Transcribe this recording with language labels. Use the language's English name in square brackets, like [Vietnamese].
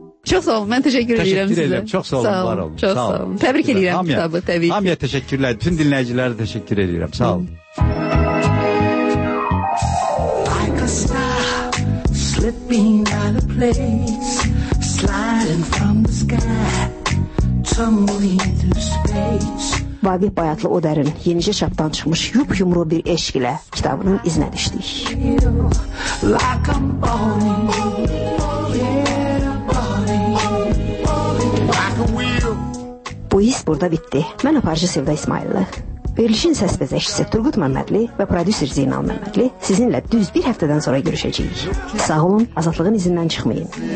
[Azerbaijani] Çox sağ olun, mən təşəkkür edirəm sizə. Təşəkkür edirəm, çox sağ olun, var olun. Çox sağ olun, sağ olun. Təbrik edirəm hamiyyə, kitabı, təbii ki. Hamıya təşəkkürlər, bütün dinləyicilərə təşəkkür edirəm, sağ olun. [English] Like a star, slipping out of place, sliding from the sky, tumbling through space. [Azerbaijani] Vaqif Bayatlı Odərin yenicə çapdan çıxmış Yup Yumru Bir Eşq ilə kitabının izinə düşdük. [English] Like I'm falling, [Azerbaijani] bu his burada bitti. Mən aparıcı Sevda İsmaillı. Verilişin səs bəzəkçisi Turgut Məmmədli və prodüser Zeynal Məmmədli sizinlə düz bir həftədən sonra görüşəcəyik. Sağ olun, azadlığın izindən çıxmayın.